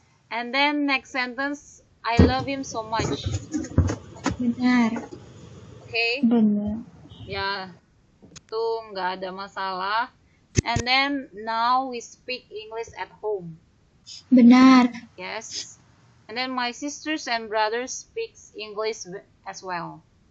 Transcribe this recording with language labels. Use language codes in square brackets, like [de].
[en] And then next sentence, I love him so much. [id] Benar. [en] Okay. [id] Benar. Ya, itu nggak ada masalah. [en] And then now we speak English at home. [id] Benar. [en] Yes. And then my sisters and brothers speak English as well.